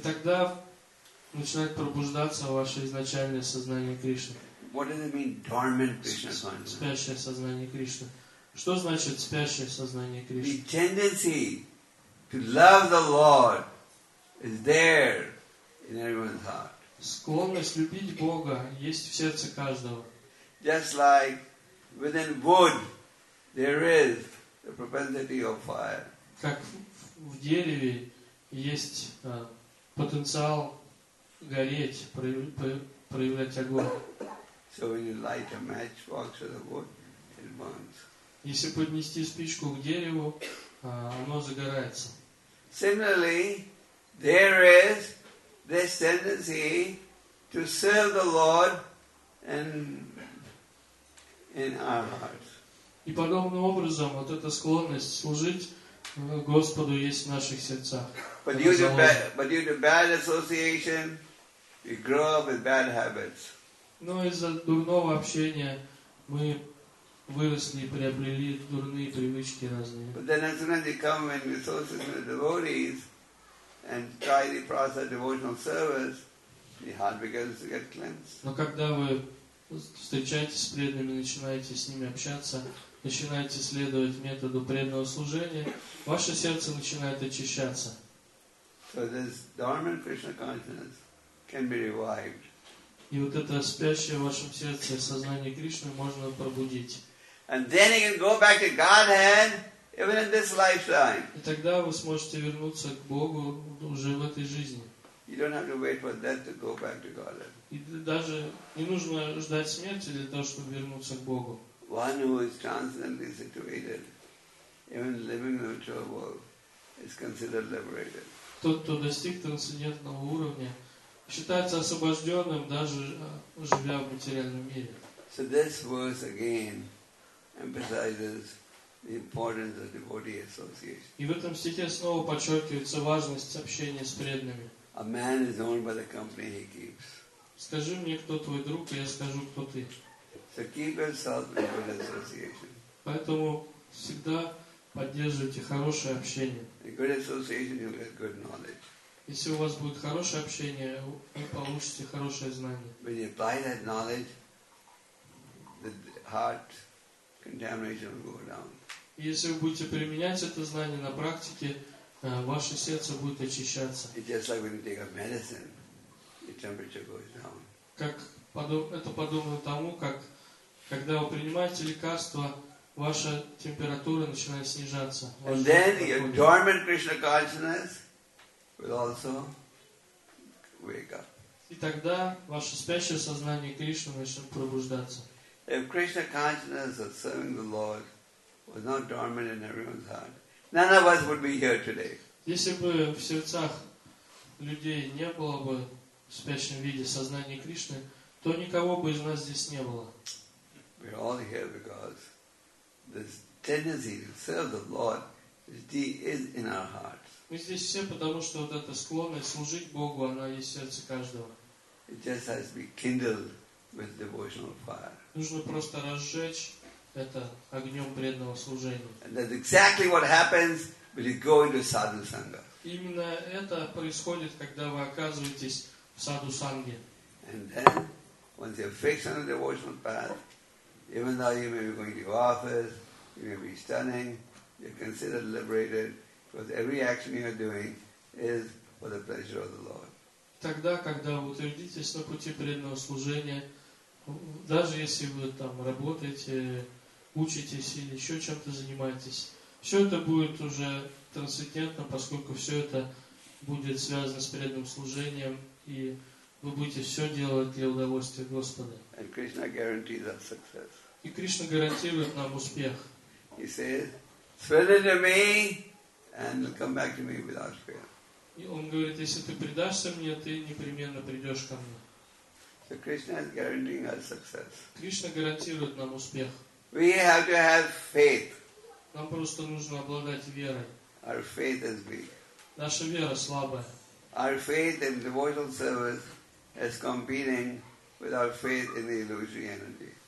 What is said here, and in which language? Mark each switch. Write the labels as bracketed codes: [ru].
[ru] И тогда начинает пробуждаться ваше изначальное сознание Кришны. [en] What does it mean, dormant Krishna consciousness? [ru] Спящее сознание Кришны. Что значит спящее сознание Кришны? [en] The tendency to love the Lord is there in everyone's heart. [ru] Склонность любить Бога есть в сердце каждого. [en] Just like within wood there is the propensity of fire. [ru] Как в дереве есть потенциал гореть, проявлять огонь. [en] So when you light a matchbox or the wood, it burns. [ru] Если поднести спичку к дереву, оно загорается. [en] Similarly, there is this tendency to serve the Lord in our hearts. [ru] И подобным образом, вот эта склонность служить Господу есть в наших сердцах. [en] But due to bad association, we grow up with bad habits. [ru] Но из-за дурного общения мы выросли и приобрели дурные привычки разные. [en] But then as soon as you come and associate with devotees and try the process of devotional service, the heart begins to get cleansed. [ru] Но когда вы встречаетесь с преданными, начинаете с ними общаться, начинаете следовать методу преданного служения, ваше сердце начинает очищаться. [en] So this dormant Krishna consciousness can be revived. [ru] И вот это спящее в вашем сердце сознание Кришны можно пробудить. [en] And then you can go back to Godhead even in this lifetime. [ru] И тогда вы сможете вернуться к Богу уже в этой жизни. [en] You don't have to wait for death to go back to Godhead. [ru] И даже не нужно ждать смерти для того, чтобы вернуться к Богу. [en] One who is transcendently situated, even living in the material world, is considered liberated. [ru] Тот, кто достиг трансцендентного уровня, считается освобожденным, даже живя в материальном мире. [en] So this verse again emphasizes the importance of devotee association. [ru] И в этом стихе снова подчеркивается важность общения с преданными. [en] A man is known by the company he keeps. [ru] Скажи мне, кто твой друг, и я скажу, кто ты. [en] So keep yourself in good association. [ru] Поэтому всегда поддерживайте хорошее общение. [en] In good association, you'll get good knowledge. [ru] Если у вас будет хорошее общение, вы получите хорошее знание. [en] When you apply that knowledge, the heart contamination will go down. [ru] Если вы будете применять это знание на практике, ваше сердце будет очищаться. [en] It's just like when you take a medicine, your temperature goes down. [ru] Как это подобно тому, как когда вы принимаете лекарство, ваша температура начинает снижаться. [en] And then your dormant Krishna consciousness will also wake up. [ru] И тогда ваше спящее сознание Кришны начнет пробуждаться. [en] If Krishna consciousness of serving the Lord was not dormant in everyone's heart, none of us would be here today. [ru] Если бы в сердцах людей не было бы в спящем виде сознания Кришны, то никого бы из нас здесь не было. [en] We're all here because this tendency to serve the Lord is in our heart. [ru] Мы здесь все потому, что вот эта склонность служить Богу, она есть в сердце каждого. [en] It just has to be kindled with devotional fire. [ru] Нужно просто разжечь это огнем преданного служения. [en] And that's exactly what happens when you go into sadhusanga. [ru] Именно это происходит, когда вы оказываетесь в садху-санге. [en] And then, once you're fixed on the devotional path, even though you may be going to your office, you may be stunning, you're considered liberated. Because every action you are doing is for the pleasure of the Lord. [ru] Тогда, когда вы утвердитесь на пути преданного служения, даже если вы там работаете, учитесь или еще чем-то занимаетесь, все это будет уже трансцендентно, поскольку все это будет связано с преданным служением, и вы будете все делать для удовольствия Господа. [en] And Krishna guarantees us success. [ru] И Кришна гарантирует нам успех. [en] He says, "Surrender it to me." And come back to me without fear. [ru] И он говорит, если ты предашься мне, ты непременно придешь ко мне. [en] So Krishna is guaranteeing us success. [ru] Кришна гарантирует нам успех. [en] We have to have faith. [ru] Нам просто нужно обладать верой. [en] Our faith is weak. [ru] Наша вера слабая. [en] Our faith in devotional service is competing with our faith in the illusory energy.